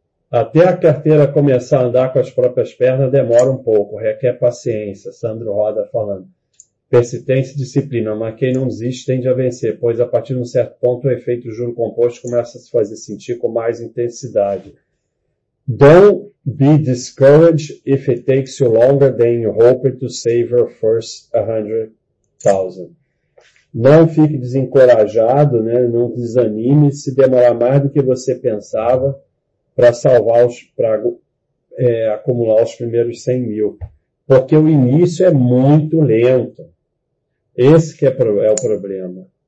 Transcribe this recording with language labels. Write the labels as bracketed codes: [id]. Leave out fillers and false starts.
[pt] Até a carteira começar a andar com as próprias pernas demora um pouco, requer paciência. Sandro Roda falando. Persistência e disciplina, mas quem não desiste tende a vencer, pois a partir de um certo ponto o efeito juro composto começa a se fazer sentir com mais intensidade. [en] Don't be discouraged if it takes you longer than you hope to save your first 100,000. [pt] Não fique desencorajado, né? Não desanime se demorar mais do que você pensava para salvar acumular os primeiros 100 mil. Porque o início é muito lento. Esse que é o problema.